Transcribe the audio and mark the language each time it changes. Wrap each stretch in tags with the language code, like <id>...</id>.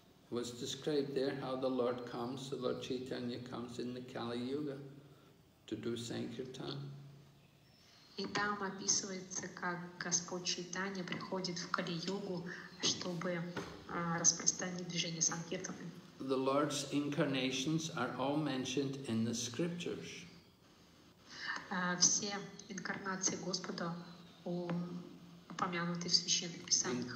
<en>Was described there how the Lord comes, the Lord Chaitanya comes in the Kali Yuga to do Sankirtan.</en> <ru>И там описывается, как Господь Чайтанья приходит в Кали-Югу, чтобы распространить движение Санкиртаны.</ru> <en>The Lord's incarnations are all mentioned in the scriptures.</en> <ru>Все инкарнации Господа упомянуты в Священных Писаниях.</ru>